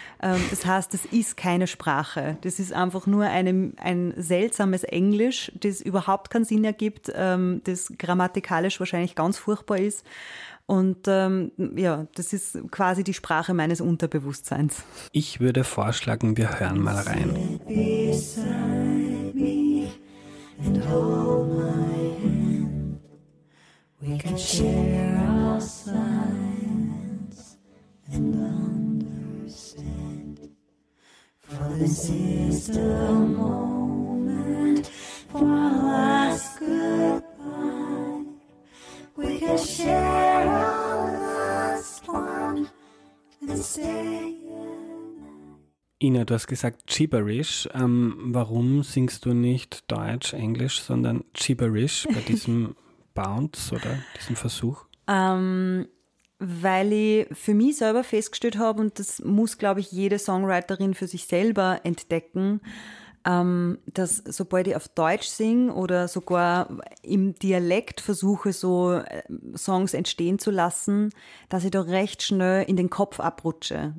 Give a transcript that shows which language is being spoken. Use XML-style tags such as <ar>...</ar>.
<de>Das heißt, das ist keine Sprache. Das ist einfach nur ein seltsames Englisch, das überhaupt keinen Sinn ergibt, das grammatikalisch wahrscheinlich ganz furchtbar ist. Und das ist quasi die Sprache meines Unterbewusstseins. Ich würde vorschlagen, wir hören mal rein.</de> <en>And hold my hand, we can share our silence and understand. For this is the moment for our last goodbye. We can share our last one and stay.</en> <de>Ina, du hast gesagt Gibberish. Warum singst du nicht Deutsch, Englisch, sondern Gibberish bei diesem Bounce oder diesem Versuch? Weil ich für mich selber festgestellt habe, und das muss, glaube ich, jede Songwriterin für sich selber entdecken, dass sobald ich auf Deutsch singe oder sogar im Dialekt versuche, so Songs entstehen zu lassen, dass ich da recht schnell in den Kopf abrutsche.</de>